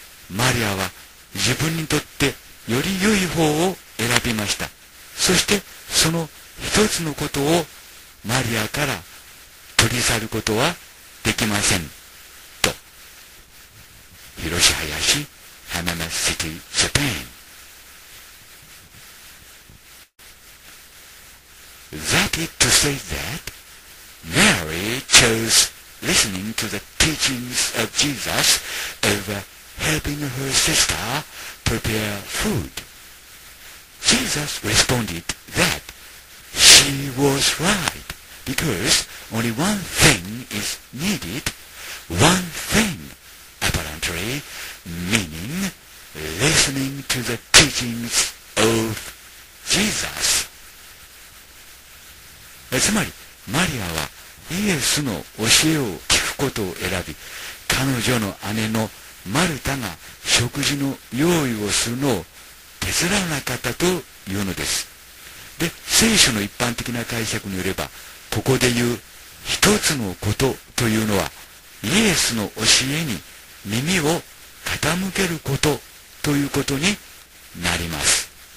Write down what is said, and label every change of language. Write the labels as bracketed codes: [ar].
[ja] マリアは自分にとってより良い方を選びました。そしてその一つのことをマリアから取り去ることはできませんと。広林浜松シティジャパン。 [en] That is to say that Mary chose listening to the teachings of Jesus over helping her sister prepare food. Jesus responded that she was right. Because only one thing is needed, one thing, apparently, meaning listening to the teachings of Jesus. [ja] つまり、マリアはイエスの教えを聞くことを選び、彼女の姉のマルタが食事の用意をするのを手伝わなかったというのです。で、聖書の一般的な解釈によれば、ここで言う一つのことというのは、イエスの教えに耳を傾けることということになります。